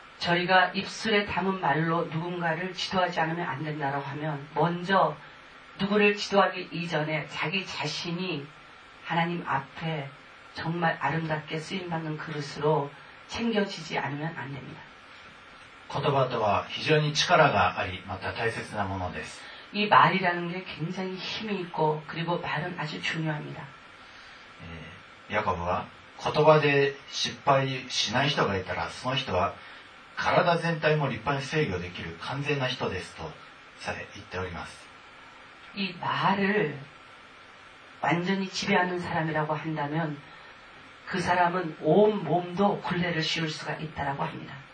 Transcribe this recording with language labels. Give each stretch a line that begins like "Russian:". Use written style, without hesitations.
Korean: 저희가입술에담은말로누군가를지도하지않으면안된다라고하면먼저누구를지도하기이전에자기자신이하나님앞에정말아름답게쓰임받는그릇으로챙겨지지않으면안됩니다
Japanese: 言葉とは非常に力があり、また大切なものです。
Korean: 이말이라는게굉장히힘이있고그리고말은아주중요합니다
Japanese: 야곱は言葉で失敗しない人がいたら、その人は体全体も立派に制御できる完全な人ですとさえ言っております。
Korean: 이말을완전히지배하는사람이라고한다면그사람은온몸도굴레를씌울수가있다라고합니다